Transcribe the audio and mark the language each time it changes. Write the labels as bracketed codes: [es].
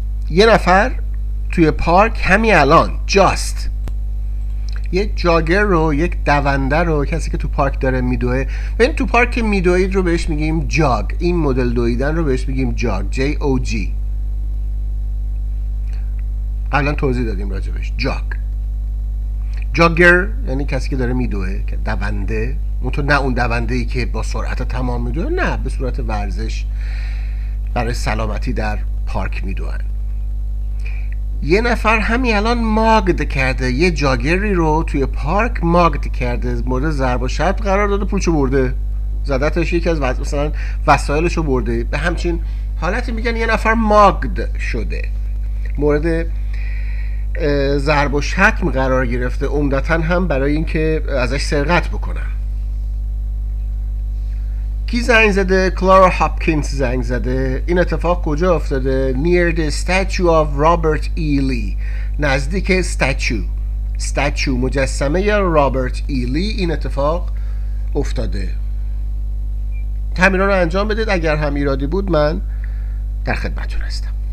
[fa] یه نفر توی پارک همین الان just یک جاگر رو، یک دونده رو، کسی که تو پارک داره میدوه. ببین تو پارک که میدوید رو بهش میگیم jog، این مدل دویدن رو بهش میگیم jog، J-O-G. الان توضیح دادیم راجبش. jog، جاگر یعنی کسی که داره میدوه، دونده. اونطور نه اون دونده‌ای که با سرعت تمام میدوه، نه به صورت ورزش برای سلامتی در پارک میدوهن. یه نفر همین الان ماگد کرده، یه جاگری رو توی پارک ماگد کرده، مورد ضرب و شتم قرار داده، پولشو برده، زدتش، یکی از مثلا وسایلشو برده. به همچین حالتی میگن یه نفر ماگد شده، مورد ضرب و شتم قرار گرفته، عمدتا هم برای اینکه ازش سرقت بکنن. کی زنگ زده؟ کلارا هاپکینز زنگ زده. این اتفاق کجا افتاده؟ [en] Near the statue of Robert E. Lee. [fa] نزدیک statue مجسمه رابرت E. Lee این اتفاق افتاده. تمرین رو انجام بدید، اگر هم ایرادی بود من در خدمتتون هستم.